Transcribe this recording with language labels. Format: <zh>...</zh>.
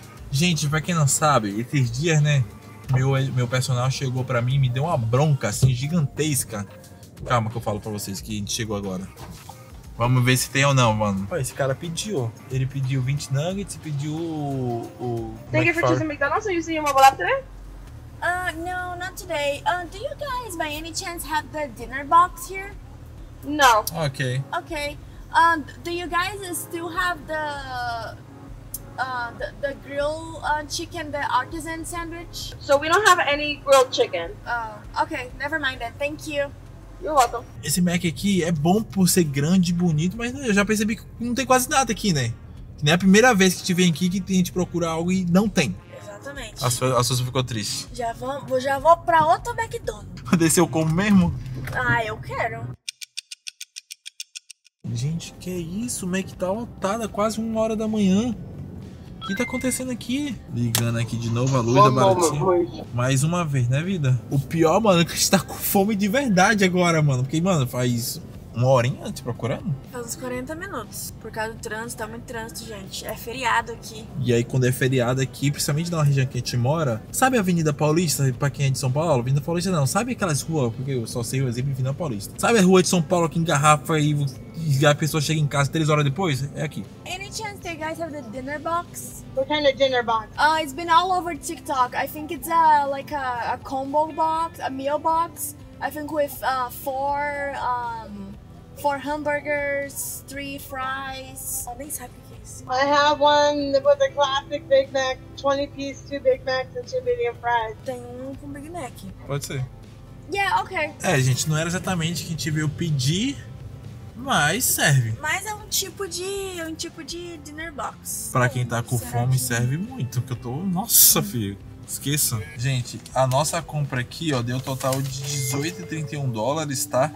<pt>Gente, pra quem não sabe, esses dias, né, meu personal chegou pra mim e me deu uma bronca, assim, gigantesca. Calma que eu falo pra vocês que a gente chegou agora. Vamos ver se tem ou não, mano. Pô, esse cara pediu. Ele pediu 20 nuggets e pediu o...</pt> <en>Thank you for choosing McDonald's. Are you seeing mobile after? No, not today. Do you guys, by any chance, have the dinner box here? No. Okay. Okay. Do you guys still have the grilled chicken, the artisan sandwich? So we don't have any grilled chicken. Okay. Never mind that. Thank you. You're welcome.</en> <pt>Esse Mac aqui é bom por ser grande e bonito, mas eu já percebi que não tem quase nada aqui, né? Que nem é a primeira vez que a gente vem aqui que a gente procura algo e não tem. Exatamente. A Susan ficou triste. Já vou pra outro McDonald's. Desceu como mesmo? Ah, eu quero. Gente, que isso? O Mac tá lotado, quase 1 hora da manhã. O que tá acontecendo aqui? Ligando aqui de novo a luz da baratinha. Mais uma vez, né, vida? O pior, mano, é que a gente tá com fome de verdade agora, mano. Porque, mano, faz 1 horinha te procurando? Faz uns 40 minutos. Por causa do trânsito, tá muito trânsito, gente. É feriado aqui. E aí, quando é feriado aqui, principalmente na região que a gente mora, sabe a Avenida Paulista, pra quem é de São Paulo? Avenida Paulista não. Sabe aquelas ruas, porque eu só sei o exemplo de Avenida Paulista. Sabe a rua de São Paulo que engarrafa aí... E a pessoa chega em casa 3 horas depois? É aqui.</pt> <en>Any chance you guys have the dinner box? What kind of dinner box? It's been all over TikTok. I think it's like a combo box, a meal box. I think with four hamburgers, 3 fries.</en> <pt>Oh, nem sabe o que é isso.</pt> <en>I have one with a classic Big Mac, 20 piece, 2 Big Macs and 2 medium fries.</en> <pt>Tem um com Big Mac. Pode ser.</pt> <en>Yeah, okay.</en> <pt>É, gente, não era exatamente o que a gente veio pedir. Mas serve. Mas é um tipo de dinner box. Pra quem tá com fome, serve muito. Que eu tô... Nossa, filho. Esqueça. Gente, a nossa compra aqui, ó, deu um total de $18.31, tá?</pt>